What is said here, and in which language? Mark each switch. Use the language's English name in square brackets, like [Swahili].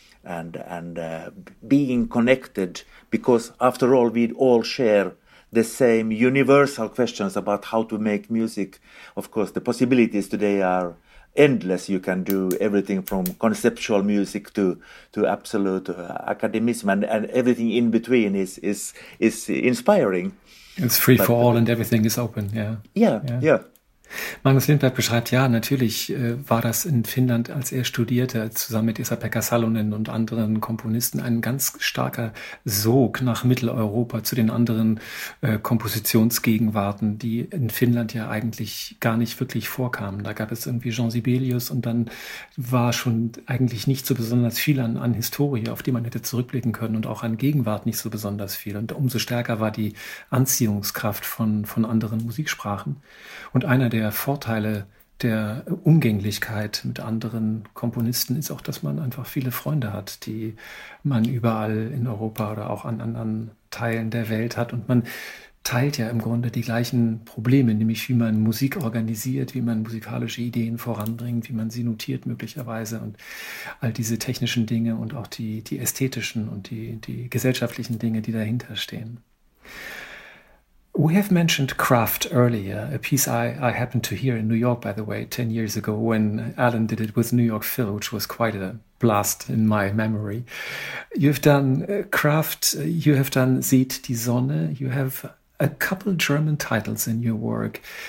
[English] And being connected, because after all, we all share the same universal questions about how to make music. Of course, the possibilities today are endless. You can do everything from conceptual music to absolute academism, and everything in between is inspiring. It's free but, for all, and everything is open. Yeah. [German] Magnus Lindberg beschreibt, ja, natürlich war das in Finnland, als er studierte, zusammen mit Esa-Pekka Salonen und anderen Komponisten, ein ganz starker Sog nach Mitteleuropa zu den anderen Kompositionsgegenwarten, die in Finnland ja eigentlich gar nicht wirklich vorkamen. Da gab es irgendwie Jean Sibelius und dann war schon eigentlich nicht so besonders viel an Historie, auf die man hätte zurückblicken können, und auch an Gegenwart nicht so besonders viel. Und umso stärker war die Anziehungskraft von anderen Musiksprachen. Und einer der Vorteile der Umgänglichkeit mit anderen Komponisten ist auch, dass man einfach viele Freunde hat, die man überall in Europa oder auch an anderen Teilen der Welt hat. Und man teilt ja im Grunde die gleichen Probleme, nämlich wie man Musik organisiert, wie man musikalische Ideen voranbringt, wie man sie notiert möglicherweise und all diese technischen Dinge und auch die ästhetischen und die gesellschaftlichen Dinge, die dahinterstehen. [English] We have mentioned Kraft earlier, a piece I happened to hear in New York, by the way, 10 years ago when Alan did it with New York Phil, which was quite a blast in my memory. You've done Kraft, you have done Seht die Sonne, you have a couple German titles in your work.